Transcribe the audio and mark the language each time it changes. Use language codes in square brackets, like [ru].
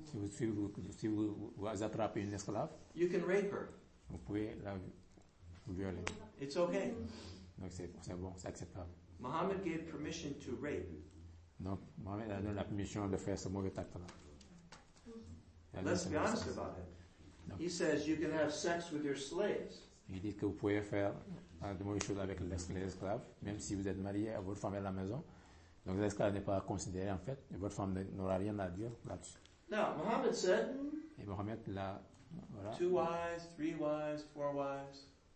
[fr] si vous attrapez une esclave, [en] you can rape her. [fr] Vous pouvez la violer. [en] It's okay. [fr] Donc c'est bon, c'est acceptable. [en] Muhammad gave permission to rape. [fr] Donc Muhammad a donné la permission de faire ce mauvais acte là. [en] Let's be honest about it. He says you can have sex with your slaves. [fr] Il dit que vous pouvez faire de mauvaises choses avec les esclaves, même si vous êtes marié à votre femme à la maison. Donc l'esclave n'est pas considéré en fait, et votre femme n'aura rien à dire là-dessus. [en] Now, Muhammad said, [fr] et Muhammad l'a. Voilà. [en] Two wives, three wives, four wives.